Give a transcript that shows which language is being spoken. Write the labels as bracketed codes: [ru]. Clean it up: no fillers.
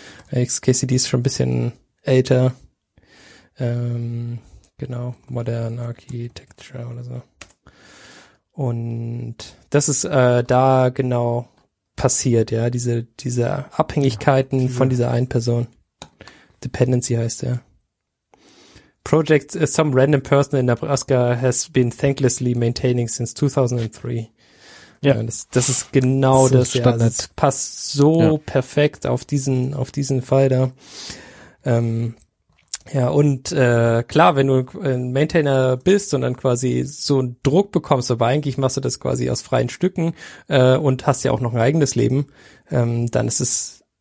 [de] XKCD ist schon ein bisschen älter. Genau, Modern Architecture oder so. Und das ist da genau passiert, ja, diese Abhängigkeiten von dieser einen Person. Dependency heißt der. [en] Project some random person in Nebraska has been thanklessly maintaining since 2003. [de] Ja, das ist genau das. Ja, das passt so perfekt auf diesen Fall da. Klar, wenn du ein Maintainer bist und dann quasi so einen Druck bekommst, aber eigentlich machst du das quasi aus freien Stücken und hast ja auch noch ein eigenes Leben, dann ist es